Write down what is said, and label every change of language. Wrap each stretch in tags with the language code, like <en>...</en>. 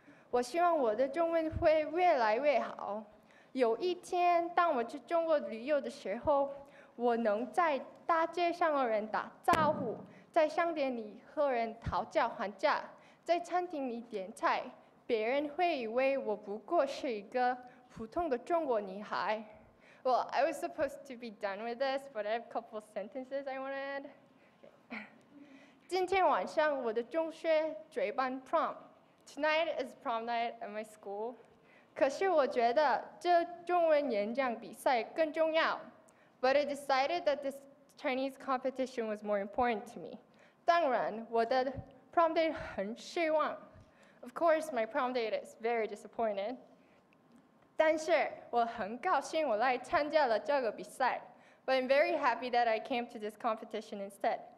<zh>我希望我的中文会越来越好。有一天，当我去中国旅游的时候，我能在大街上和人打招呼，在商店里和人讨价还价，在餐厅里点菜，别人会以为我不过是一个普通的中国女孩。</zh> <en>Well, I was supposed to be done with this, but I have a couple sentences I want to add.</en> <zh>今天晚上我的中学举办 prom.</zh> <en>Tonight is prom night at my school.</en> <zh>可是我觉得这中文演讲比赛更重要。</zh> <en>But I decided that this Chinese competition was more important to me.</en> <zh>当然，我的 prom date 很失望。</zh> <en>Of course, my prom date is very disappointed.</en> <zh>但是我很高兴我来参加了这个比赛。</zh> <en>But I'm very happy that I came to this competition instead.</en>